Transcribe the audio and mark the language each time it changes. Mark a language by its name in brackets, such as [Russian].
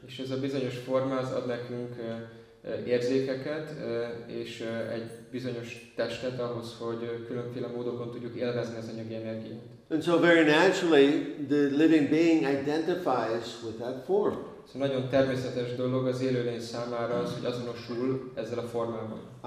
[Hungarian] És ez a bizonyos forma az ad nekünk érzékeket és egy bizonyos testet ahhoz, hogy különféle módokon tudjuk élvezni az anyagi energiát. [English] And so very naturally the living being identifies with that form. [Hungarian] Ez nagyon természetes dolog az élőlény számára az, hogy azonosul ezzel a formával.